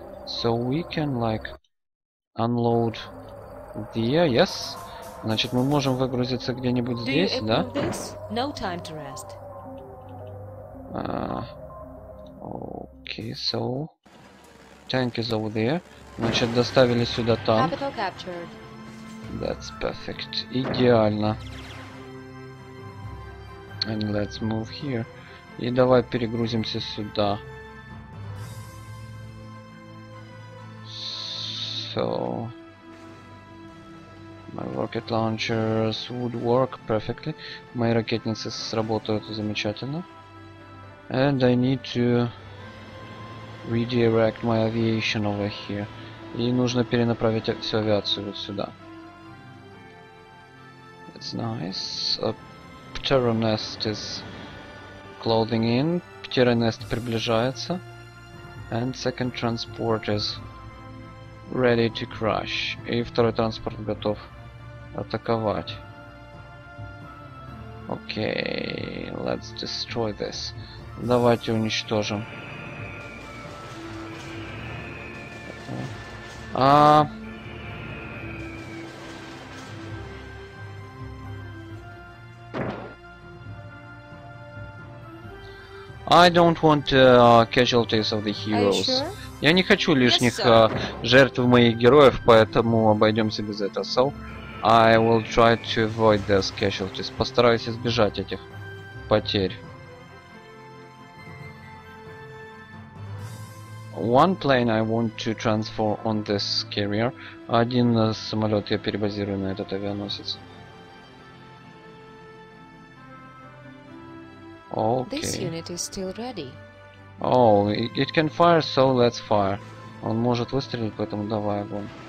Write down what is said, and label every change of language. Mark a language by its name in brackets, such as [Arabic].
[English] So we can like unload there, yes? [Russian] Значит, мы можем выгрузиться где-нибудь здесь, да? [English] No time to rest. Okay, so tank is over there. [Russian] Значит, доставили сюда танк. [English] Capital captured. That's perfect. [Russian] Идеально. [English] And let's move here. [Russian] И давай перегрузимся сюда. [English] So my rocket launchers would work perfectly. [Russian] Мои ракетницы сработают замечательно. [English] And I need to redirect my aviation over here. [Russian] И нужно перенаправить всю авиацию вот сюда. [English] That's nice. A pteranest is clothing in. [Russian] Птеронест приближается. [English] And second transport is ready to crash. [Russian] И второй транспорт готов атаковать. [English] Окей, let's destroy this. [Russian] Давайте уничтожим. [English] I don't want casualties of the heroes. Sure? [Russian] Я не хочу лишних жертв моих героев, поэтому обойдемся без этого. [English] So I will try to avoid those casualties. [Russian] Постараюсь избежать этих потерь. [English] One plane I want to transfer on this carrier. [Russian] Один самолет я перебазирую на этот авианосец. [English] Okay. This unit is still ready. Oh, it can fire, so let's fire. [Russian] Он может выстрелить, поэтому давай огонь.